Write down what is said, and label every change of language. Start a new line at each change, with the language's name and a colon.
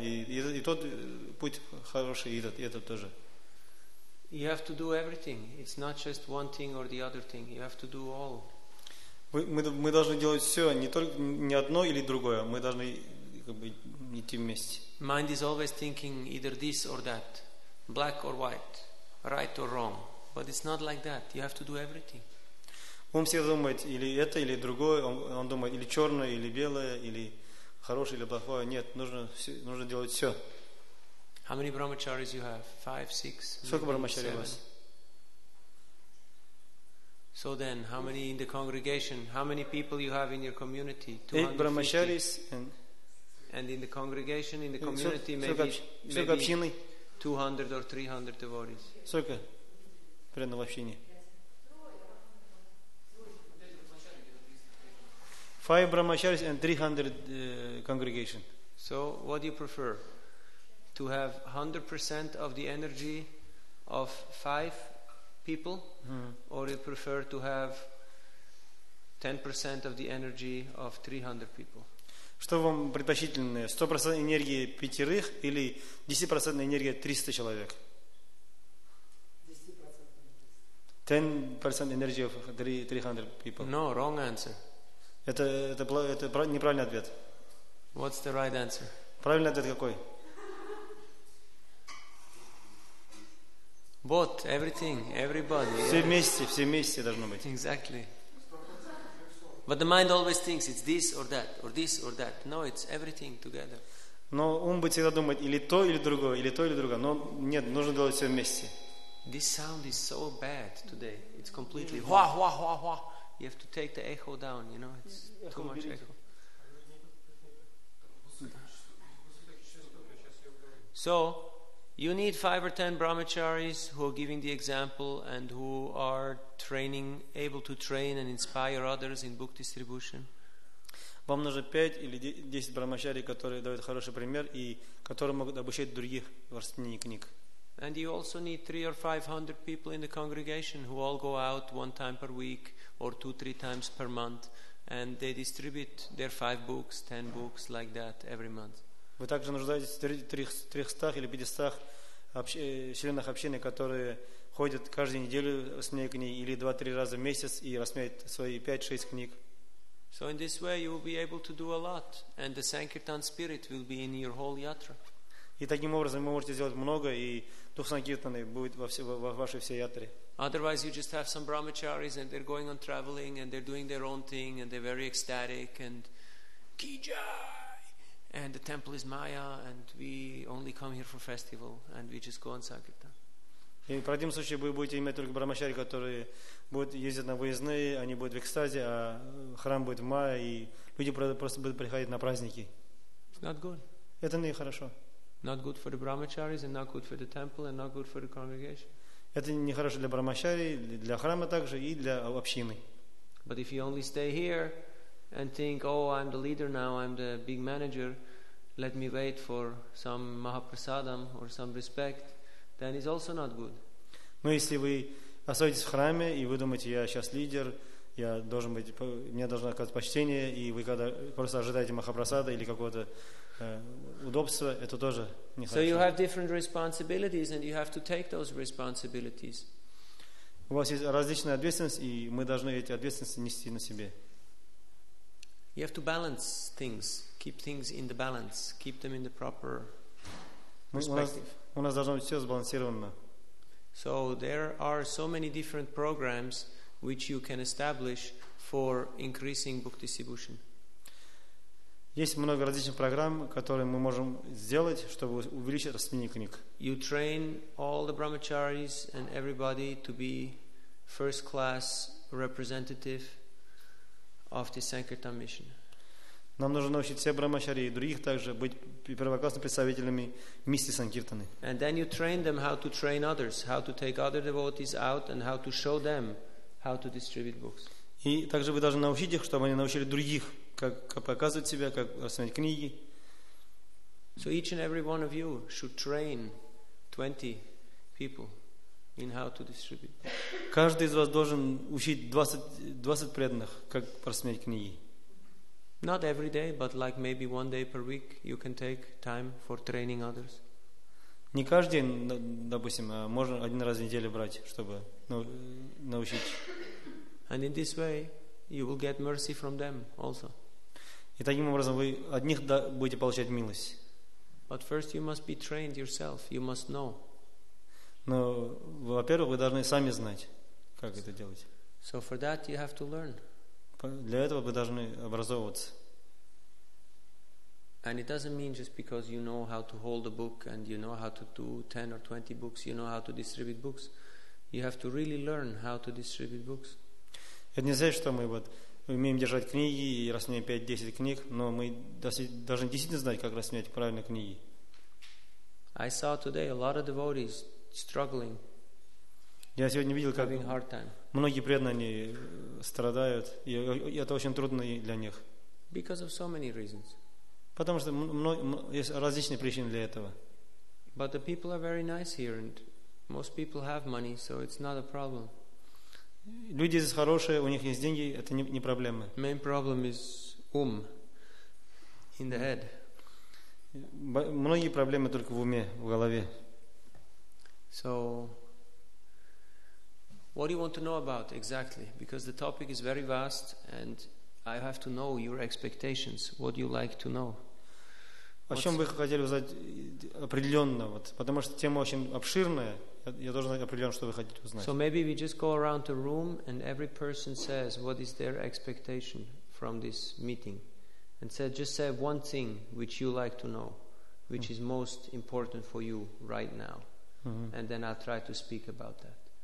Russian: И тот путь хороший, и этот тоже.
English: You have to do everything. It's not just one thing or the other thing. You have to do all.
Russian: Мы должны делать все, не только не одно или другое. Мы должны как бы идти вместе.
English: Mind is always thinking either this or that, black or white, right or wrong. But it's not like that. You have to do everything.
Russian: Ум всегда думает или это, или другое. Он думает или черное, или белое, или хорошее, или плохое. Нет, нужно делать все.
English: How many brahmacharis you have? 5, 6.
Russian: Сколько брахмачари у вас?
English: So then, how many in the congregation? How many people you have in your community? 8 brahmacharis and. And in the congregation, in the community, maybe 200 or 300 devotees.
Russian: Сколько? Прямо в общине.
English: 5 brahmacharis and 300 congregation. So, what do you prefer? To have 100% of the energy of 5 people, or you prefer to have 10% of the energy of 300 people.
Russian: Что вам предпочтительнее, 100% энергии пятерых или 10% энергии 300 человек?
English: 10% energy of 300 people. No, wrong answer.
Russian: Это неправильный ответ.
English: What's the right answer?
Russian: Правильный ответ какой?
English: Both, everything, everybody.
Russian: Все вместе должно быть.
English: Exactly. But the mind always thinks it's this or that, or this or that. No, it's everything together.
Russian: Но ум будет всегда думать или то, или другое, или то, или другое. Но нет, нужно делать все вместе.
English: This sound is so bad today. It's completely wah, wah, wah, wah. You have to take the echo down, you know, it's too much echo. So, you need 5 or 10 brahmacharis who are giving the example and who are training, able to train and inspire others in book distribution.
Russian: Вам нужно 5 или 10 брамачари, которые дают хороший пример и которые могут обучать других в распространении книг.
English: And you also need 300 or 500 people in the congregation who all go out one time per week or 2-3 times per month, and they distribute their 5 books, 10 books like that every month.
Russian: Вы также нуждаетесь в 300 или 500 членах общины, которые ходят каждую неделю с книгой или 2-3 раза в месяц и распространяют свои 5-6 книг.
English: So in this way you will be able to do a lot, and the Sankirtan spirit will be in your whole yatra.
Russian: И таким образом вы можете сделать много, и дух Санкиртаны будет во вашей ятре.
English: Otherwise, you just have some brahmacharis and they're going on traveling and they're doing their own thing and they're very ecstatic and kijai and the temple is Maya and we only come here for festival and we just go on Sankirtan.
Russian: И в противном случае вы будете иметь только брахмачари, которые будут ездить на выездные, они будут в экстазе, а храм будет в Майя, и люди просто будут приходить на праздники.
English: Not good.
Russian: Это не хорошо.
English: Not good for the brahmacharis and not good for the temple and not good for the congregation.
Russian: Это не хорошо для брахмачари, для храма также и для общины.
English: But if you only stay here and think, oh, I'm the leader now, I'm the big manager, let me wait for some mahaprasadam or some respect, then it's also not good.
Russian: Но если вы остаетесь в храме и вы думаете, я сейчас лидер, я должен быть, мне должно оказать почтение, и вы когда просто ожидаете махапрасада или какого-то удобства, это тоже не хорошо.
English: So you have different responsibilities and you have to take those responsibilities.
Russian: У вас есть различная ответственность, и мы должны эти ответственности нести на себе.
English: You have to balance things, keep things in the balance, keep them in the proper perspective.
Russian: У нас должно быть все сбалансировано.
English: So there are so many different programs which you can establish for increasing book distribution.
Russian: Есть много различных программ, которые мы можем сделать, чтобы увеличить распространение книг.
English: You train all the brahmacharis and everybody to be first class representative of the Sankirtan mission.
Russian: Нам нужно научить все брахмачари и других также быть первоклассными представителями миссии Санкиртаны.
English: And then you train them how to train others, how to take other devotees out and how to show them how to distribute books.
Russian: И также вы должны научить их, чтобы они научили других, как показывать себя, как рассматривать книги.
English: So each and every one of you should train 20 people in how to distribute.
Russian: Каждый из вас должен учить 20 преданных, как рассматривать книги.
English: Not every day, but like maybe one day per week, you can take time for training others.
Russian: Не каждый день, допустим, а можно один раз в неделю брать, чтобы научить.
English: And in this way, you will get mercy from them also.
Russian: И таким образом вы от них будете получать милость.
English: But first you must be trained yourself, you must know.
Russian: Но, во-первых, вы должны сами знать, как это делать.
English: So for that you have to learn.
Russian: Для этого вы должны образовываться.
English: And it doesn't mean just because you know how to hold a book and you know how to do 10 or 20 books, you know how to distribute books. You have to really learn how to distribute books.
Russian: Это не значит, что мы вот умеем держать книги и распространять 5-10 книг, но мы должны действительно знать, как распространять правильно книги.
English: I saw today a lot of devotees struggling.
Russian: Я сегодня видел, как
English: hard time.
Russian: Многие преданные страдают, и это очень трудно для них.
English: Because of so many reasons.
Russian: Потому что есть различные причины для этого.
English: But the people are very nice here, and most people have money, so it's not a problem.
Russian: Люди с хорошие, у них есть деньги, это не проблема.
English: Main problem is
Russian: ум,
English: in the head.
Russian: Многие проблемы только в уме, в голове.
English: So, what do you want to know about exactly? Because the topic is very vast, and I have to know your expectations. What do you like to know?
Russian: О чем бы вы хотели узнать определенно, вот, потому что тема очень обширная. Я должен знать определенно, что вы хотите узнать.
English: So maybe we just go around the room and every person says what is their expectation from this meeting, and said just say one thing which you like to know, which is most important for you right now, and then I'll try to speak about that.